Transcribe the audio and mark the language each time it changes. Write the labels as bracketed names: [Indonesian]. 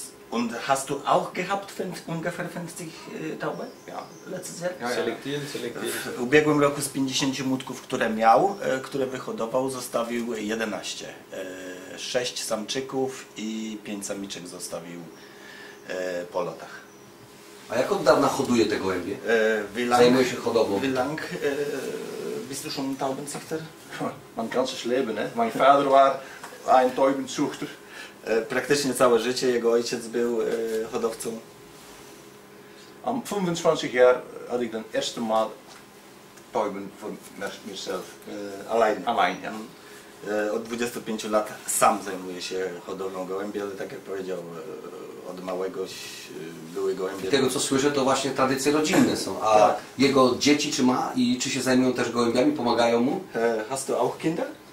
[German] Und hast du auch gehabt ungefähr 50 Tauben? Ja. Letztes Jahr? Ja. Selektiert. [Polish] W ubiegłym roku z 50 mutków, które miał, które wyhodował, zostawił 11. 6 samczyków i 5 samiczek zostawił po lotach. A jak od dawna hoduje te gołębie? Zajmuje się hodową. [German] Wie lang bist du schon Taubenzüchter? Mein ganzes Leben, ne? Mein Vater war ein Taubenzüchter. [Polish] Praktycznie całe życie jego ojciec był hodowcą. [German] Am 25 Jahr hatte ich den erste Mal Tauben von mir selbst. Allein, ja. [Polish] Od 25 lat sam zajmuje się hodowlą gołębi, ale tak jak powiedział, od małego były gołębie. I tego co słyszę, to właśnie tradycje rodzinne są. A tak. Jego dzieci czy ma i czy się zajmują też gołębiami, pomagają mu? [German] Hast du auch Kinder?